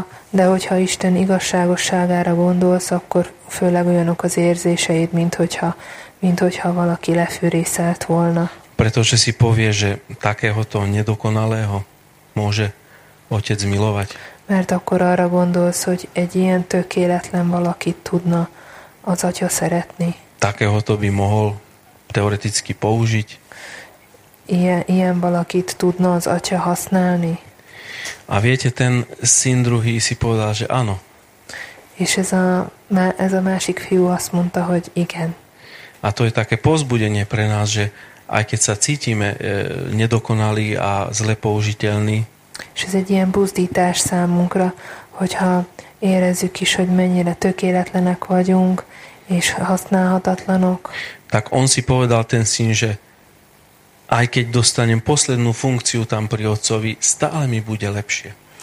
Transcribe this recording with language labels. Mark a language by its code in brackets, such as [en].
[hu] De hogyha Isten igazságosságára gondolsz, akkor főleg olyanok az érzéseid, mint hogyha valaki lefűrészelt volna. [sk] Pretože si povie, že takéhoto nedokonalého môže Otec milovať. [hu] Mert akkor arra gondolsz, hogy egy ilyen tökéletlen valakit tudna az Atya szeretni. [sk] Takého to by mohol teoreticky použiť. [hu] Ilyen valakit tudna az Atya használni. [sk] A viete, ten syn druhý si povedal, že áno. [hu] És ez a másik fiú azt mondta, hogy igen. [sk] A to je také pozbudenie pre nás, že aj keď sa cítime nedokonalí a zle použiteľní, [hu] és ez egy ilyen buzdítás számunkra, hogyha érezzük is, hogy mennyire tökéletlenek vagyunk, és használhatatlanok. [sk] Tak on si povedal ten syn, že aj keď dostanem poslednú funkciu tam pri otcovi, stále mi bude lepšie.